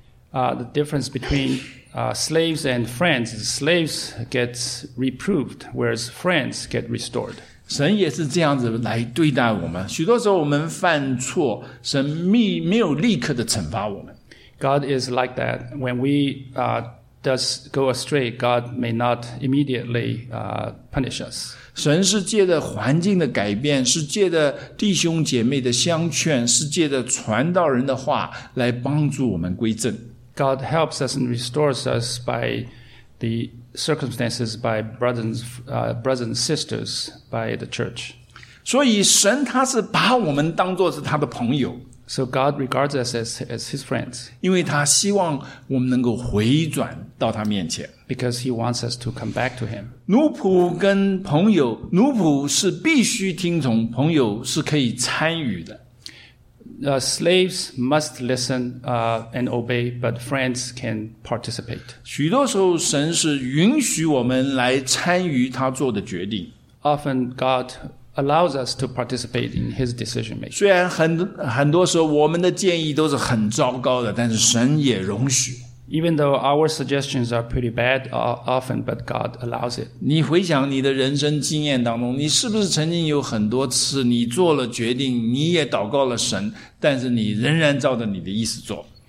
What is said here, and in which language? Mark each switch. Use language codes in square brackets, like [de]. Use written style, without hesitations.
[en] The difference between slaves and friends is slaves get reproved, whereas friends get restored. [zh] 神也是这样子来对待我们。许多时候我们犯错，神没有立刻的惩罚我们。 [en] God is like that. When we does go astray, God may not immediately punish us. [zh] 神是借着环境的改变，是借着弟兄姐妹的相劝，是借着传道人的话来帮助我们归正。 [en] God helps us and restores us by the circumstances, by brothers and sisters, by the church. [zh] 所以神他是把我们当作是他的朋友。 [en] So God regards us as his friends. [zh] 因为他希望我们能够回转到他面前。 [en] Because he wants us to come back to him. [zh] 奴仆跟朋友，奴仆是必须听从，朋友是可以参与的。 [en] Slaves must listen and obey, but friends can participate. [zh] 许多时候神是允许我们来参与他做的决定。 [en] Often God allows us to participate in his decision making. [zh] 虽然很多时候我们的建议都是很糟糕的，但是神也容许。 [en] Even though our suggestions are pretty bad often, but God allows it. [zh] 你回想你的人生经验当中，你是不是曾经有很多次你做了决定，你也祷告了神，但是你仍然照着你的意思做。